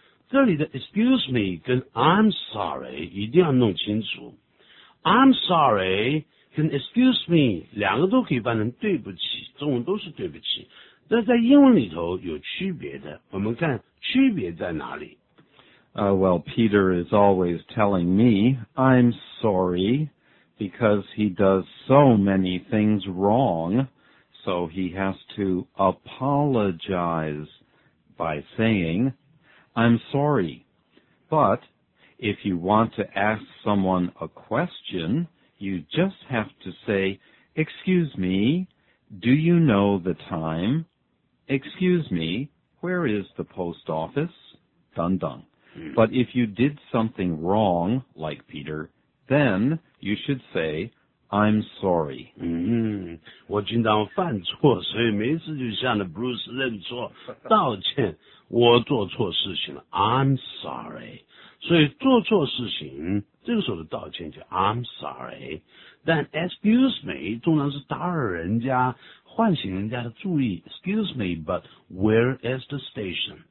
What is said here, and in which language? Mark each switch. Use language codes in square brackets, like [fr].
[zh] 这里的 Excuse me 跟 I'm sorry 一定要弄清楚。 I'm sorry 跟 Excuse me 两个都可以翻成对不起，中文都是对不起。那在英文里头有区别的，我们看区别在哪里。 [en] Well, Peter is always telling me I'm sorry because he does so many things wrong, so he has to apologize by saying I'm sorry. But if you want to ask someone a question, you just have to say, Excuse me, do you know the time? Excuse me, where is the post office? Dun dun. But if you did something wrong, like Peter, then you should say, I'm sorry. [zh] 我经常犯错，所以每次就向着 Bruce 认错，道歉，我做错事情了。 [en] I'm sorry. [zh] 所以做错事情，这个时候的道歉就 I'm sorry. 但 excuse me, 通常是打扰人家唤醒人家的注意 ， [en] Excuse me, but where is the station?